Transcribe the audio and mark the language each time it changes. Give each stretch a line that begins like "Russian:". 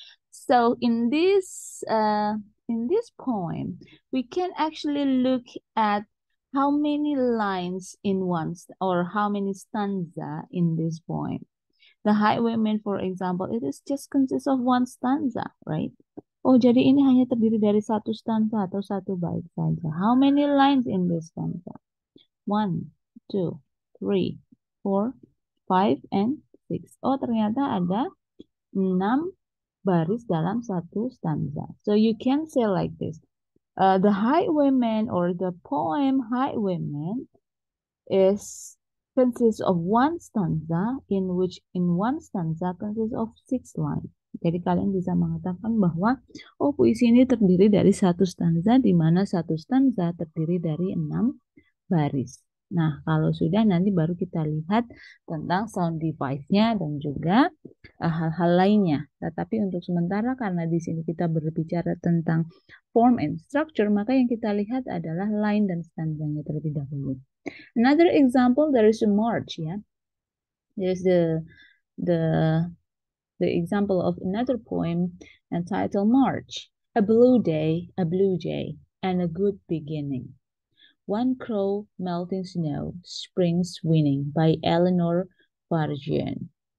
English: So in this poem, we can actually look at how many lines in one or how many stanza in this poem. The highwayman, for example, it is just consists of one stanza, right?
Indonesian: Oh, jadi ini hanya terdiri dari satu stanza atau satu bait saja.
English: How many lines in this stanza? One, two, three, four, five, and six.
Indonesian: Oh, ternyata ada enam baris dalam satu stanza.
English: So you can say like this. The highwayman or the poem highwayman consists of one stanza in which in one stanza consists of six lines.
Indonesian: Jadi kalian bisa mengatakan bahwa oh puisi ini terdiri dari satu stanza di mana satu stanza terdiri dari enam baris. Nah, kalau sudah nanti baru kita lihat tentang sound device-nya dan juga hal-hal lainnya. Tetapi untuk sementara karena di sini kita berbicara tentang
English: form and structure,
Indonesian: maka yang kita lihat adalah line dan stanzanya terlebih dahulu.
English: Another example, there is a march, ya. There is the example of another poem entitled March. A blue day, a blue jay, and a good beginning. One Crow Melting Snow, Spring's Winning by Eleanor Fargeon.